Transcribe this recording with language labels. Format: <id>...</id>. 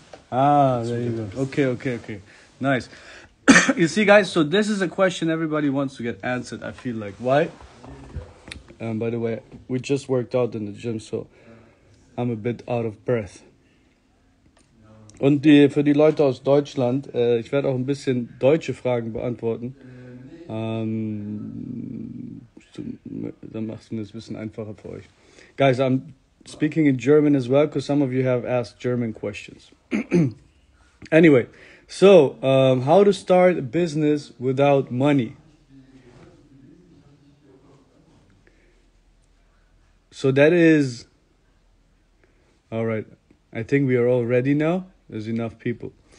<en>Ah, there you go. Okay, okay, okay. Nice. You see, guys, so this is a question everybody wants to get answered, I feel like. Why? By the way, we just worked out in the gym, so I'm a bit out of breath.</en> <de>Und die, für die Leute aus Deutschland, ich werde auch ein bisschen deutsche Fragen beantworten. Dann macht es mir ein bisschen einfacher für euch.</de> <en>Guys, I'm speaking in German as well, because some of you have asked German questions. Anyway, so how to start a business without money? So that is, all right, I think we are all ready now. There's enough people.</en>